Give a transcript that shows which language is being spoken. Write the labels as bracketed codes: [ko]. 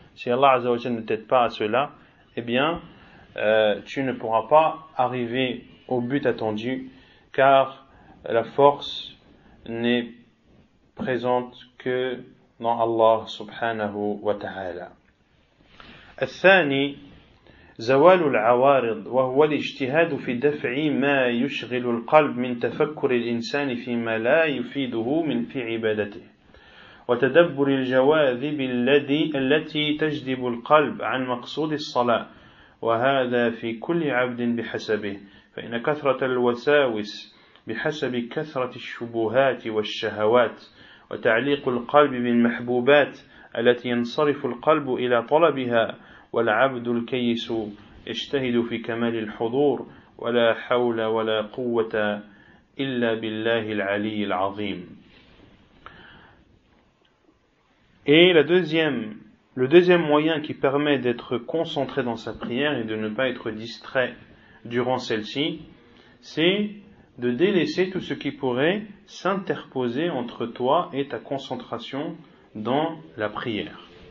[fr] Si Allah [ar] azza wa jalla [fr] ne t'aide pas à cela, eh bien, tu ne pourras pas arriver au but attendu, car la force n'est présente que dans Allah [ar] subhanahu wa ta'ala. الثاني زوال العوارض وهو الاجتهاد في دفع ما يشغل القلب من تفكر الإنسان فيما لا يفيده من في عبادته وتدبر الجواذب التي تجذب القلب عن مقصود الصلاة وهذا في كل عبد بحسبه فإن كثرة الوساوس بحسب كثرة الشبهات والشهوات وتعليق القلب بالمحبوبات التي ينصرف القلب إلى طلبها والعبد الكيس اجتهد في كمال الحضور ولا حول ولا قوة إلا بالله العلي العظيم. [fr] Et le deuxième moyen qui permet d'être concentré dans sa prière et de ne pas être distrait durant celle-ci, c'est de délaisser tout ce qui pourrait s'interposer entre toi et ta concentration dans la prière.